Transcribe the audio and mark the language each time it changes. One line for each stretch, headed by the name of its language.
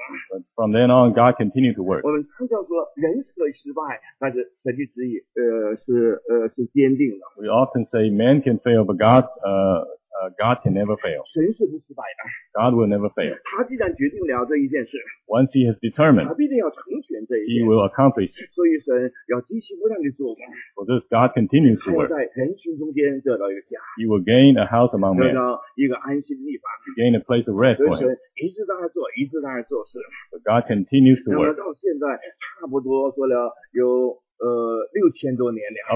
English: but from then on, God continued to work.
Chinese: 我们常叫做人可以失败, 但是神的旨意, 是坚定的。
English: We often say man can fail, but God, God can never fail.
Chinese: 神是不失败的,
English: God will never fail.
Chinese: 他既然决定了这一件事,
English: once he has determined,
Chinese: 他必定要成全这一件事,
English: he will accomplish.
Chinese: 所以神要继续不断地做,
English: for this God continues to work.
Chinese: 在人群中间得到一个家,
English: he will gain a house among men.
Chinese: 得到一个安息的地方,
English: he gain a place of rest for him.
Chinese: 一直在做, 一直在做事,
English: but God continues to work.
Chinese: 然后到现在差不多做了有, 6000多年了,